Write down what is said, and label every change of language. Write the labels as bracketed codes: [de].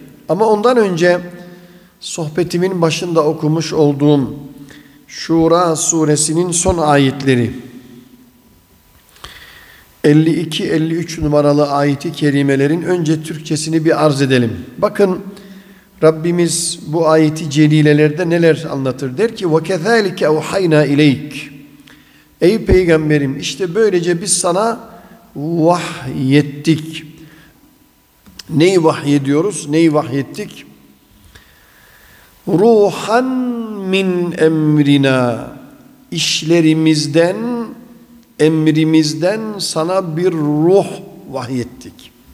[tr] Ama ondan önce sohbetimin başında okumuş olduğum Şura suresinin son ayetleri, 52-53 numaralı ayeti kerimelerin önce Türkçesini bir arz edelim. Bakın Rabbimiz bu ayeti celilelerde neler anlatır? Der ki [ar] وَكَذَٰلِكَ اَوْحَيْنَا اِلَيْكَ. [tr] Ey peygamberim, işte böylece biz sana vahyettik. Neyi vahyediyoruz? Neyi vahyettik? [ar] Ruhan min emrina. [tr] İşlerimizden, emrimizden sana bir ruh vahyettik.